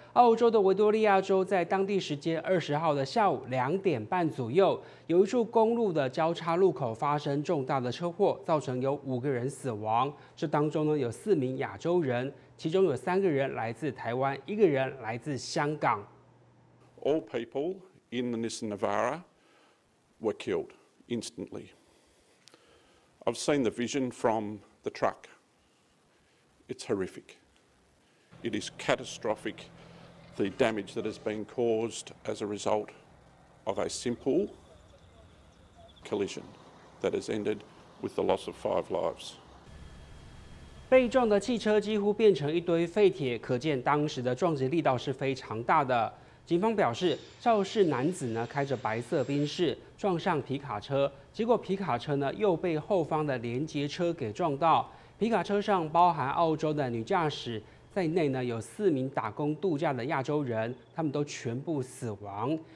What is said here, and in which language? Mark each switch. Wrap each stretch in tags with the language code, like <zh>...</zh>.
<zh>澳洲的维多利亚州在当地时间20号的下午2点半左右，有一处公路的交叉路口发生重大的车祸，造成有5个人死亡。这当中呢有4名亚洲人，其中有3个人来自台湾，1个人来自香港。</zh> <en>All people in the Nissan Navara were killed instantly. I've seen the vision from the truck. It's horrific. It is catastrophic, the damage that has been caused as a result of a simple collision that has ended with the loss of 5 lives.</en> <zh>被撞的汽车几乎变成一堆废铁，可见当时的撞击力道是非常大的。警方表示，肇事男子呢开着白色宾士撞上皮卡车，结果皮卡车呢又被后方的连接车给撞到。皮卡车上包含澳洲的女驾驶在内呢，有4名打工度假的亚洲人，他们都全部死亡。</zh>